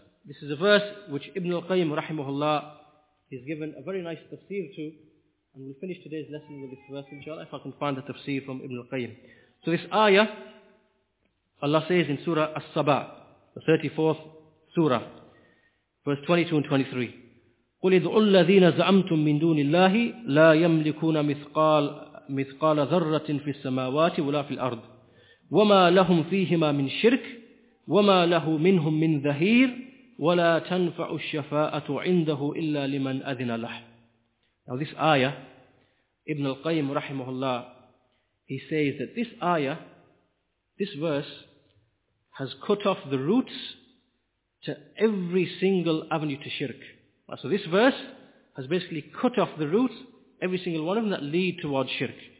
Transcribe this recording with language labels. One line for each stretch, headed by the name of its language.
English: This is a verse which Ibn al-Qayyim rahimahullah has given a very nice tafsir to, and we'll finish today's lesson with this verse inshallah, if I can find the tafsir from Ibn al-Qayyim. So this ayah, Allah says in Surah As-Saba, the 34th Surah, verse 22 and 23,
Arabic: قُلِ ادْعُوا الَّذِينَ زَعَمْتُمْ مِنْ دُونِ اللَّهِ لَا يَمْلِكُونَ مِثْقَالَ ذَرَّةٍ فِي السَّمَاوَاتِ وَلَا فِي الْأَرْضِ وَمَا لَهُمْ فِيهِمَا مِنْ شِرْكٍ وَمَا لَهُ مِنْهُمْ مِنْ ذَهِيرٍ وَلَا تَنْفَعُ الشَّفَاءَةُ عِنْدَهُ إِلَّا لِمَنْ أَذِنَ لَهُ.
English: Now this ayah, Ibn al-Qayyim rahimahullah, he says that this ayah, this verse, has cut off the roots to every single avenue to shirk. So this verse has basically cut off the roots, every single one of them that lead towards shirk.